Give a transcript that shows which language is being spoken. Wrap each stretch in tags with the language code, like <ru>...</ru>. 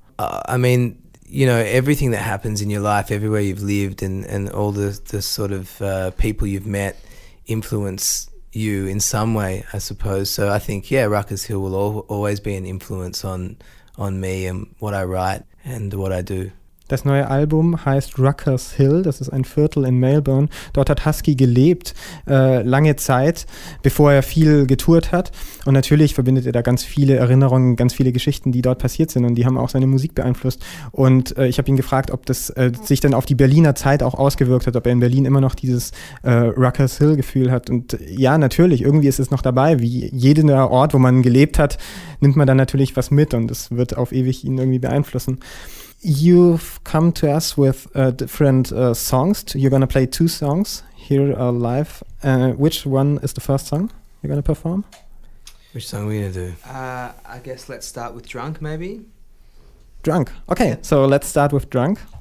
<en>I mean, you know, everything that happens in your life, everywhere you've lived, and all the sort of people you've met influence you in some way, I suppose. So I think, yeah, Rucker's Hill will always be an influence on me and what I write and what I do.</en> <de>Das neue Album heißt Rucker's Hill. Das ist ein Viertel in Melbourne. Dort hat Husky gelebt, lange Zeit, bevor er viel getourt hat. Und natürlich verbindet er da ganz viele Erinnerungen, ganz viele Geschichten, die dort passiert sind. Und die haben auch seine Musik beeinflusst. Und ich habe ihn gefragt, ob das sich dann auf die Berliner Zeit auch ausgewirkt hat, ob er in Berlin immer noch dieses Rucker's Hill-Gefühl hat. Und ja, natürlich, irgendwie ist es noch dabei. Wie jeder Ort, wo man gelebt hat, nimmt man dann natürlich was mit. Und es wird auf ewig ihn irgendwie beeinflussen.</de> <en>You've come to us with different songs. You're going to play 2 songs here live. Which one is the first song you're going to perform? Which song are we going to do? I guess let's start with Drunk, maybe. Drunk. Okay, so let's start with Drunk.</en>